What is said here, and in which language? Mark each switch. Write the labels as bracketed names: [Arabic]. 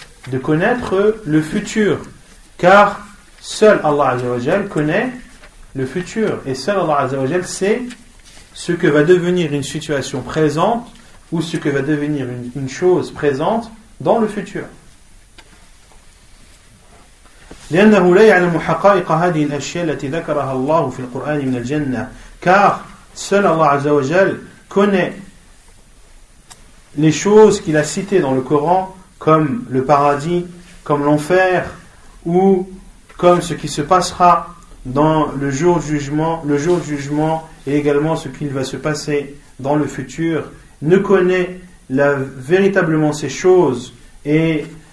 [French] De connaître le futur. Car seul Allah Azza wa Jal connaît le futur. Et seul Allah Azza wa Jal sait ce que va devenir une situation présente ou ce que va devenir une chose présente dans le futur. [Arabic] لأنه لا يعلم حقائق هذه الأشياء التي ذكرها الله في القرآن من الجنة. [French] Car seul Allah Azza wa Jal connaît les choses qu'il a citées dans le Coran, comme le paradis, comme l'enfer, ou comme ce qui se passera dans le jour du jugement, et également ce qu'il va se passer dans le futur, ne connaît la, véritablement ces choses et